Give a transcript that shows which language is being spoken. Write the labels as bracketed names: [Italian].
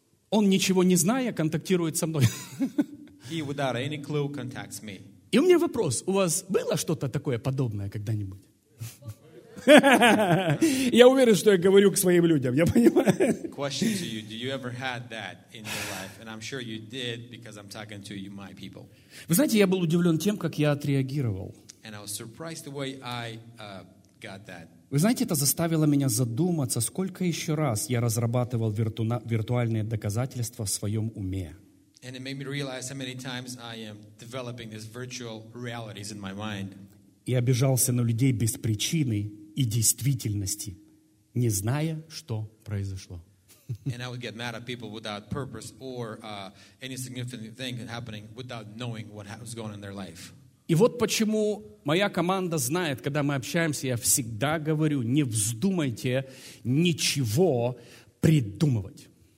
[Russian] он ничего не зная контактирует со мной. [English] He, without any clue, contacts me. [Russian] И у меня вопрос: у вас было что-то такое подобное когда-нибудь? Я уверен, что я говорю к своим людям. Я понимаю. [English] Question to you: do you ever had that in your life? And I'm sure you did, because I'm talking to you, my people. [Russian] Вы знаете, я был удивлен тем, как я отреагировал. [English] And I was surprised the way I got that. [Russian] Вы знаете, это заставило меня задуматься, сколько еще раз я разрабатывал виртуальные доказательства в своем уме. [English] And it made me realize how many times I am developing these virtual realities in my mind. [Russian] И обижался на людей без причины и действительности, не зная, что произошло. [English] And I would get mad at people without purpose or any significant thing happening without knowing what was going on in their life. [Russian] И вот почему моя команда знает, когда мы общаемся, я всегда говорю, не вздумайте ничего придумывать.